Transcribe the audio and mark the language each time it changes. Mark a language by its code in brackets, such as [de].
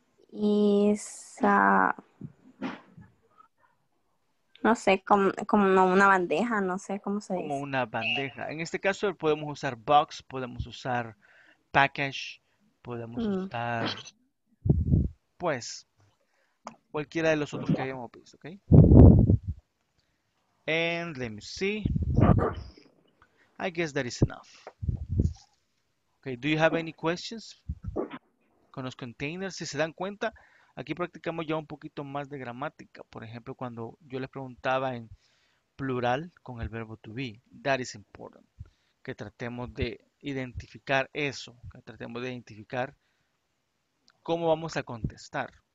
[es] Es no sé, como una bandeja, no sé cómo se dice. Como una bandeja. En este caso podemos usar box, podemos usar package, podemos usar pues cualquiera de los otros que hayamos visto, ¿ok? [en] And let me see. I guess that is enough. Okay, do you have any questions? [es] Con los containers, si se dan cuenta, aquí practicamos ya un poquito más de gramática. Por ejemplo, cuando yo les preguntaba en plural con el verbo to be, [en] that is important. [es] Que tratemos de identificar eso, que tratemos de identificar cómo vamos a contestar.